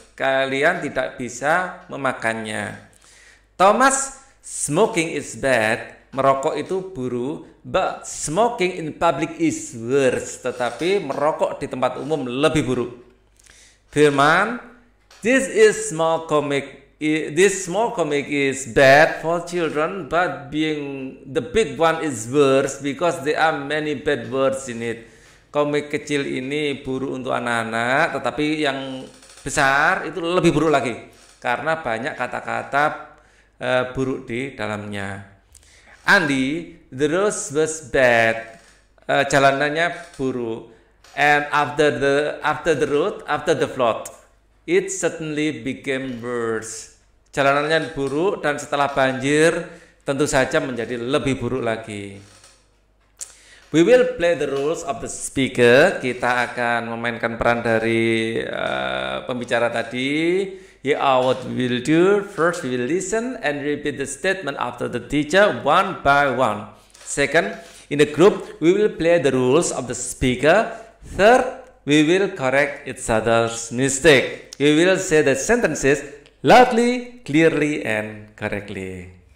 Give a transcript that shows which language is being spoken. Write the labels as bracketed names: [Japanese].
[Indonesian] Kalian tidak bisa memakannya. Thomas, [English] smoking is bad. [Indonesian] Merokok itu buruk. [English] But smoking in public is worse. [Indonesian] Tetapi merokok di tempat umum lebih buruk. [English] Firman, this is small comic. This small comic is bad for children, but being the big one is worse because there are many bad words in it. [Indonesian] Komik kecil ini buruk untuk anak-anak, tetapi yang besar itu lebih buruk lagi karena banyak kata-kata buruk di dalamnya. [English] Andy, the road was bad. [Indonesian] Jalanannya buruk. [English] And after the flood, it suddenly became worse. [Indonesian] Jalanannya buruk dan setelah banjir tentu saja menjadi lebih buruk lagi. [English] We will play the roles of the speaker. [Indonesian] Kita akan memainkan peran dari pembicara tadi. [English] Yeah, what we will do, first we will listen and repeat the statement after the teacher one by one. Second, in the group, we will play the roles of the speaker. Third, we will correct each other's mistake. We will say the sentences loudly, clearly, and correctly.